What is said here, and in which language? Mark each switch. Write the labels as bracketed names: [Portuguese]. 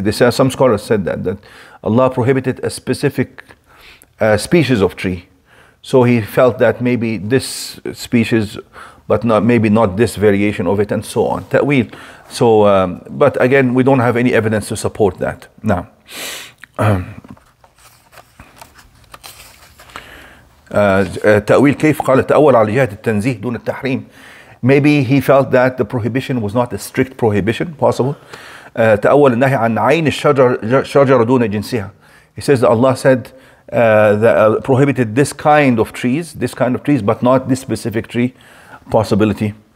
[English] Some scholars said that Allah prohibited a specific species of tree. So he felt that maybe this species but not, maybe not this variation of it, and so on. Ta'wil. So, but again, we don't have any evidence to support that. [Arabic] Now, ta'wil كيف قال التأول على جهة التنزيه دون التحريم. [English] Maybe he felt that the prohibition was not a strict prohibition, possible. [Arabic] تأول النهي عن عين الشجر شجر دون جنسها. [English] He says that Allah said that prohibited this kind of trees, but not this specific tree possibility.